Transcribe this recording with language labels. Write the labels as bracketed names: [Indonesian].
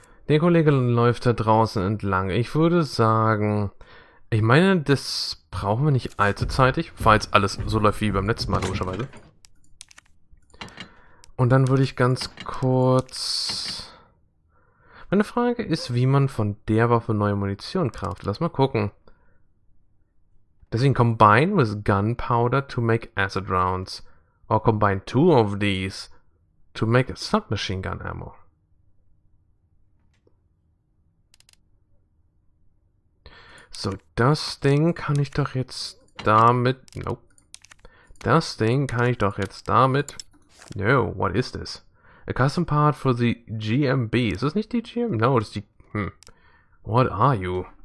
[German] Der Kollege läuft da draußen entlang. Ich würde sagen, ich meine, das brauchen wir nicht allzu zeitig, falls alles so läuft wie beim letzten Mal, logischerweise. Und dann würde ich ganz kurz... Meine Frage ist, wie man von der Waffe neue Munition craftet. Lass mal gucken. Deswegen [English] combine with gunpowder to make acid rounds. Or combine two of these to make submachine gun ammo. [German] So, das Ding kann ich doch jetzt damit... Nope. Das Ding kann ich doch jetzt damit... [English] No, what is this? A custom part for the GMB. [German] Ist das nicht die GM? [English] No, [German] das ist die... [English] What are you?